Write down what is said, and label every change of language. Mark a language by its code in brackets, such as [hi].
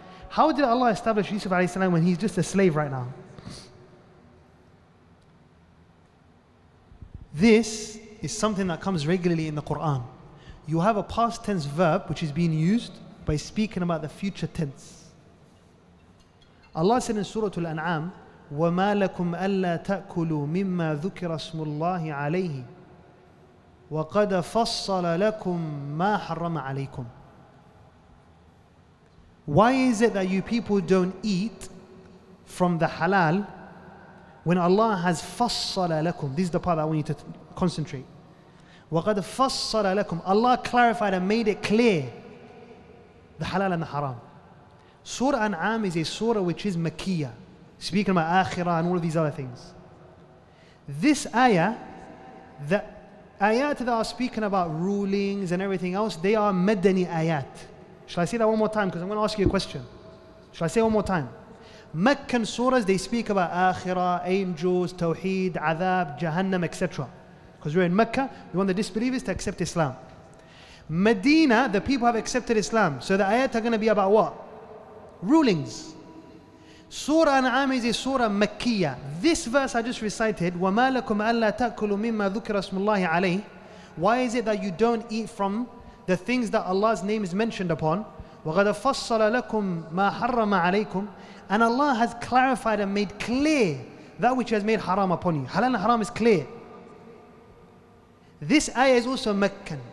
[en] How did Allah establish Yusuf عليه السلام when he's just a slave right now? This is something that comes regularly in the Quran. You have a past tense verb which is being used by speaking about the future tense. Allah said in Surah Al-An'am, [ar] وَمَا لَكُمْ أَلَّا تَأْكُلُوا مِمَّا ذُكِرَ اسْمُ اللَّهِ عَلَيْهِ وَقَدَ فَصَّلَ لَكُمْ مَا حَرَّمَ عَلَيْكُمْ. [en] Why is it that you people don't eat from the halal when Allah has [ar] فَصَّلَ لَكُمْ? [en] This is the part that I want you to concentrate. [ar] وَقَدْ فَصَّلَ لَكُمْ, [en] Allah clarified and made it clear the halal and the haram. Surah An'am is a surah which is Makkiya, speaking about Akhirah and all of these other things. This ayah, the ayat that are speaking about rulings and everything else, they are Madani ayat. Shall I say that one more time? Because I'm going to ask you a question. Shall I say it one more time? Meccan surahs, they speak about Akhirah, angels, Tawheed, Azab, Jahannam, etc. Because we're in Mecca, we want the disbelievers to accept Islam. Medina, the people have accepted Islam. So the ayat are going to be about what? Rulings. Surah An'am is a surah Makkiya. This verse I just recited, [ar] وَمَا لَكُمْ أَلَّا تَأْكُلُوا مِمَّا ذُكِرَ اسْمُ اللَّهِ عَلَيْهِ. [en] Why is it that you don't eat from the things that Allah's name is mentioned upon? [ar] وَغَدَ فَصَّلَ لَكُمْ مَا حَرَّمَ عَلَيْكُمْ. [en] And Allah has clarified and made clear that which has made haram upon you. Halal and haram is clear. This ayah is also Meccan.